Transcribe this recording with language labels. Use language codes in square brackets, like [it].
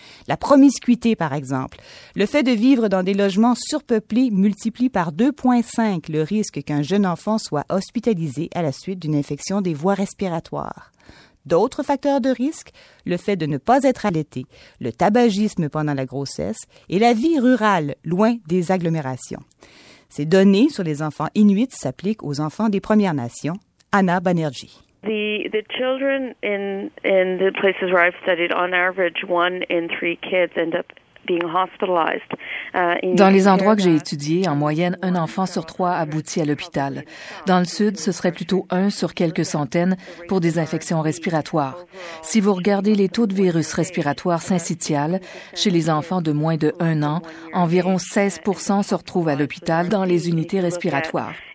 [fr] La promiscuité, par exemple. Le fait de vivre dans des logements surpeuplés multiplie par 2,5 le risque qu'un jeune enfant soit hospitalisé à la suite d'une infection des voies respiratoires. D'autres facteurs de risque, le fait de ne pas être allaité, le tabagisme pendant la grossesse et la vie rurale, loin des agglomérations. Ces données sur les enfants inuits s'appliquent aux enfants des Premières Nations. Anna Banerjee. [en] The children in the places where I've studied, on average, 1 in 3 kids end up being hospitalized. [fr] Dans les endroits que j'ai étudiés, en moyenne, 1 enfant sur 3 aboutit à l'hôpital. Dans le sud, ce serait plutôt 1 sur quelques centaines pour des infections respiratoires. Si vous regardez les taux de virus respiratoire syncytial chez les enfants de moins de 1 an, environ 16% se retrouvent à l'hôpital dans les unités respiratoires.